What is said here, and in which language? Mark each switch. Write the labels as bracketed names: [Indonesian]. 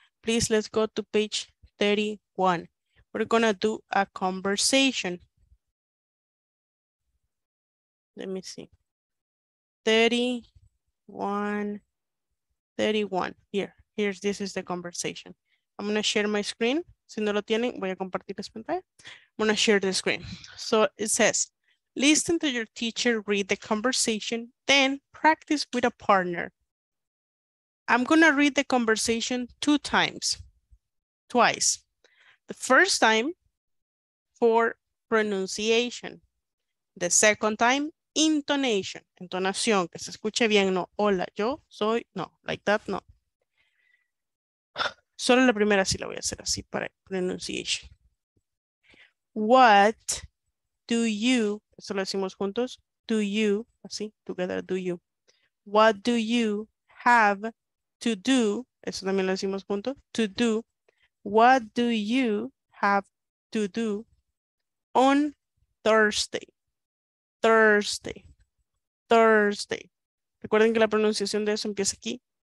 [English] Please, let's go to page 31. We're gonna do a conversation. Let me see. 31. This is the conversation. I'm gonna share my screen. [Spanish] Si no lo tienen, voy a compartir la pantalla. [English] I'm gonna share the screen. So it says, listen to your teacher read the conversation, then practice with a partner. I'm gonna read the conversation twice. The first time for pronunciation. The second time, intonation. [Spanish] Entonación, que se escuche bien, no, hola, yo soy, no, [English] like that, [Spanish] no. Solo la primera sí la voy a hacer así para pronunciation. [English] What do you, [Spanish] eso lo decimos juntos, [English] do you, así, together, do you. What do you have to do, [Spanish] eso también lo decimos juntos, [English] to do. What do you have to do on Thursday? Thursday. Thursday. [Spanish] Recuerden que la pronunciación de eso empieza aquí.